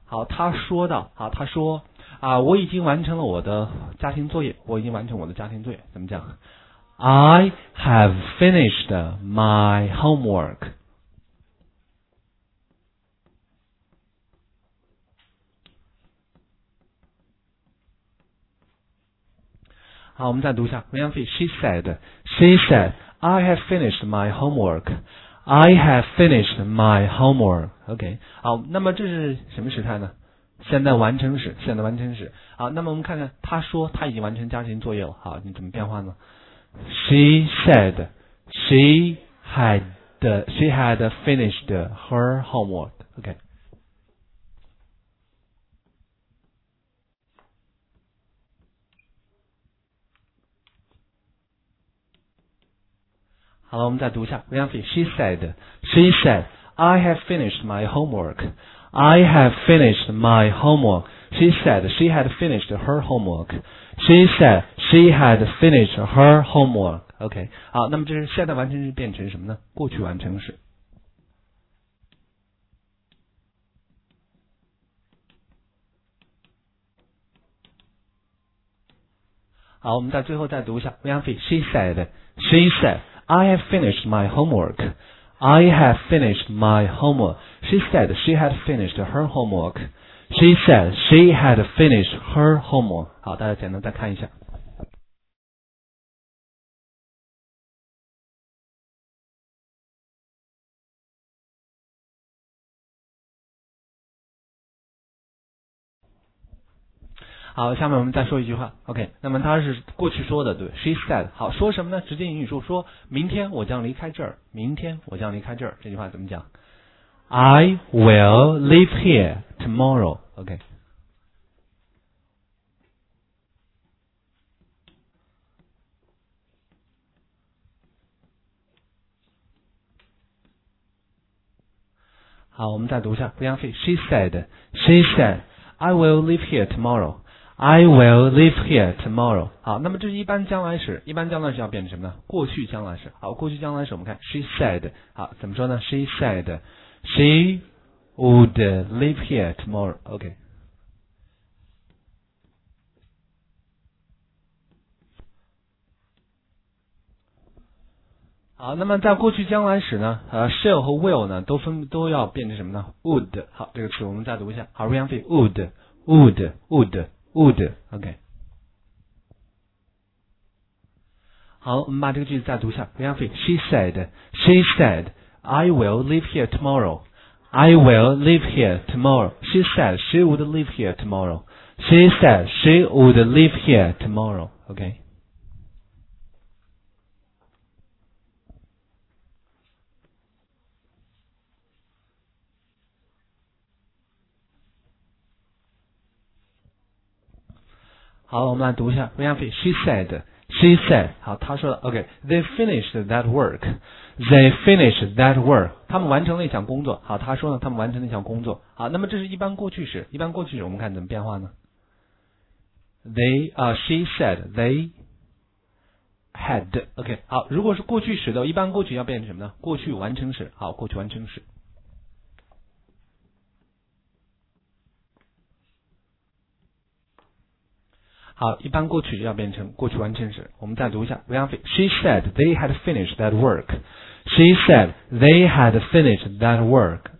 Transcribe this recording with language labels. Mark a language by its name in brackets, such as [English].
[Chinese] 好，他说到，好，他说啊，我已经完成我的家庭作业。怎么讲？ [English] I have finished my homework. [Chinese] 好，我们再读一下。Ryan Fei, [English] she said, I have finished my homework. I have finished my homework. [Chinese] OK, 好，那么这是什么时态呢？现在完成时。好，那么我们看看，他说他已经完成家庭作业了。好，你怎么变化呢？ [English] She said she had finished her homework. OK. [Chinese] 好了，我们再读一下。 [English] She said, I have finished my homework. I have finished my homework. She said she had finished her homework. She said she had finished her homework. OK, [Chinese] 好，那么这是现在完成式变成什么呢？过去完成式。好，我们到最后再读一下 Wianfei. [English] She said, she said, I have finished my homework. I have finished my homework. She said she had finished her homework. She said she had finished her homework. [Chinese] 好，大家简单再看一下。好，下面我们再说一句话。OK， 那么它是过去说的，对 ， [English] She said。 [Chinese] 好，说什么呢？直接引语说，说明天我将离开这儿。明天我将离开这儿。这句话怎么讲 [English] ？I will leave here tomorrow. OK。 [Chinese] 好，我们再读一下，不浪费。 [English] She said. She said. I will leave here tomorrow. I will live here tomorrow. [Chinese] 好，那么这是一般将来时，一般将来时要变成什么呢？过去将来时。好，过去将来时我们看 [English] She said. [Chinese] 好，怎么说呢？ [English] She said She would live here tomorrow. OK. [Chinese] 好，那么在过去将来时呢，shall 和 will 呢都要变成什么呢？ [English] Would. [Chinese] 好，这个词我们再读一下。 [English] 好， Ryan Fee. Would. Would. Would. Would, OK. [Chinese] 好，我们把这个句子再读一下。 [English] Wianfei, she said, she said, I will live here tomorrow. I will live here tomorrow. She said she would live here tomorrow. She said she would live here tomorrow. OK. [Chinese] 好，我们来读一下 Wianfei. [English] She said. She said. [Chinese] 好，她说了。OK. [English] They finished that work. They finished that work. [Chinese] 他们完成了一项工作。好，她说呢，他们完成了一项工作。好，那么这是一般过去时。一般过去时，我们看怎么变化呢 [English] ？They she said they had. OK. [Chinese] 好，如果是过去时的，一般过去要变成什么呢？过去完成时。好，过去完成时。好，一般过去要变成过去完成时。我们再读一下 Wianfei. [English] She said they had finished that work. She said they had finished that work.